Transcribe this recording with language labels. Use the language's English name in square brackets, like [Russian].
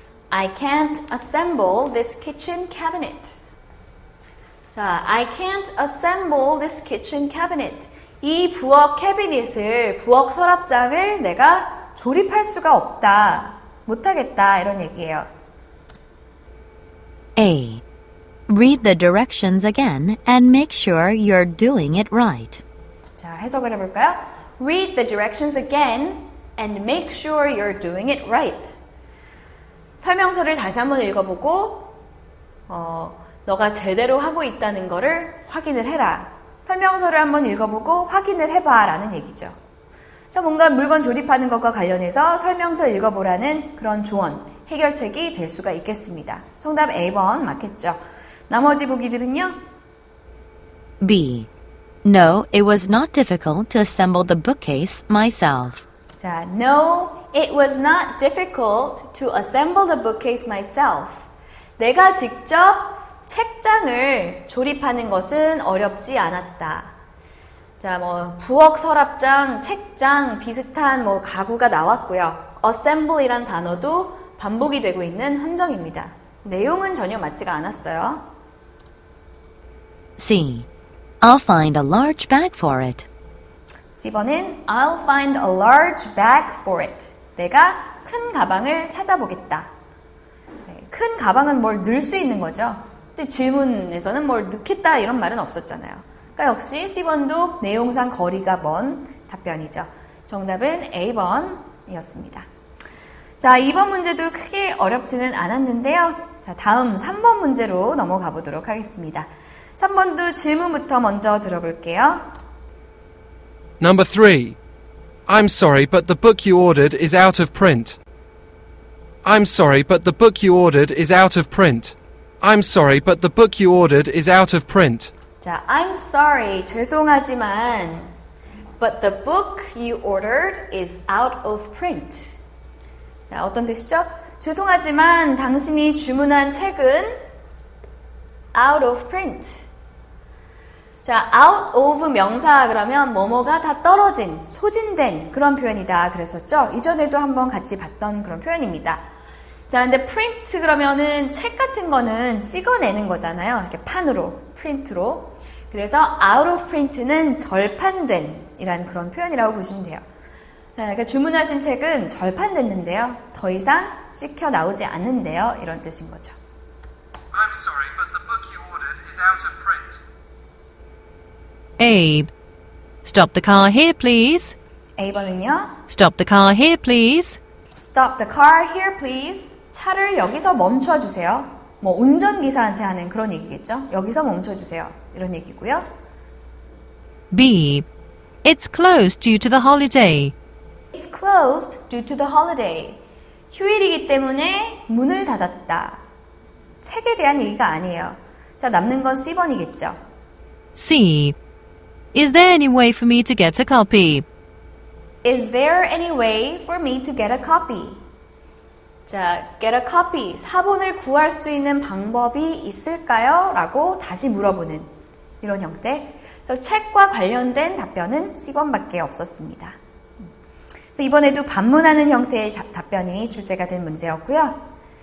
[English] I can't assemble this kitchen cabinet. 자, I can't assemble this kitchen cabinet. [Korean] 이 부엌 캐비닛을, 부엌 서랍장을 내가 조립할 수가 없다. 못하겠다. 이런 얘기예요. [English] A. Read the directions again and make sure you're doing it right. [Korean] 자, 해석을 해볼까요? [English] Read the directions again and make sure you're doing it right. [Korean] 설명서를 다시 한번 읽어보고 너가 제대로 하고 있다는 거를 확인을 해라. 설명서를 한번 읽어보고 확인을 해봐 라는 얘기죠. 자, 뭔가 물건 조립하는 것과 관련해서 설명서 읽어보라는 그런 조언, 해결책이 될 수가 있겠습니다. 정답 A번 맞겠죠. 나머지 보기들은요? [English] B. No, it was not difficult to assemble the bookcase myself. 자, no, it was not difficult to assemble the bookcase myself. [Korean] 내가 직접 책장을 조립하는 것은 어렵지 않았다. 자, 뭐 부엌 서랍장, 책장 비슷한 뭐 가구가 나왔고요. assemble이란 단어도 반복이 되고 있는 함정입니다. 내용은 전혀 맞지가 않았어요. [English] C. I'll find a large bag for it. [Korean] C번은 [English] I'll find a large bag for it. [Korean] 내가 큰 가방을 찾아보겠다. 큰 가방은 뭘 넣을 수 있는 거죠. 근데 질문에서는 뭘 넣겠다 이런 말은 없었잖아요. 그러니까 역시 C번도 내용상 거리가 먼 답변이죠. 정답은 A번이었습니다. 자, 2번 문제도 크게 어렵지는 않았는데요. 자, 다음 3번 문제로 넘어가 보도록 하겠습니다. 3번도 질문부터 먼저 들어볼게요. [English] Number 3. I'm sorry, but the book you ordered is out of print. I'm sorry, but the book you ordered is out of print. I'm sorry, but the book you ordered is out of print. 자, I'm sorry. [Korean] 죄송하지만 [English] but the book you ordered is out of print. [Korean] 자, 어떤 뜻이죠? 죄송하지만 당신이 주문한 책은 [English] out of print. [Korean] 자, [English] out of [Korean] 명사 그러면 뭐뭐가 다 떨어진, 소진된 그런 표현이다 그랬었죠. 이전에도 한번 같이 봤던 그런 표현입니다. 자, 근데 print 그러면은 책 같은 거는 찍어내는 거잖아요. 이렇게 판으로, 프린트로. 그래서 [English] out of print [Korean] 는 절판된 이란 그런 표현이라고 보시면 돼요. 그러니까 주문하신 책은 절판됐는데요. 더 이상 찍혀 나오지 않는데요. 이런 뜻인 거죠. [English] I'm sorry, but the book you ordered is out of print. Abe, stop the car here, please. [Korean] A번은요? [English] Stop the car here, please. Stop the car here, please. [Korean] 차를 여기서 멈춰주세요. 뭐 운전기사한테 하는 그런 얘기겠죠? 여기서 멈춰주세요. 이런 얘기고요. [English] B, it's closed due to the holiday. It's closed due to the holiday. [Korean] 휴일이기 때문에 문을 닫았다. 책에 대한 얘기가 아니에요. 자, 남는 건 C번이겠죠. [English] C. Is there any way for me to get a copy? Is there any way for me to get a copy? 자, get a copy. [Korean] 사본을 구할 수 있는 방법이 있을까요? 라고 다시 물어보는 이런 형태. 그래서 책과 관련된 답변은 C번밖에 없었습니다. 그래서 이번에도 반문하는 형태의 답변이 출제가 된 문제였고요.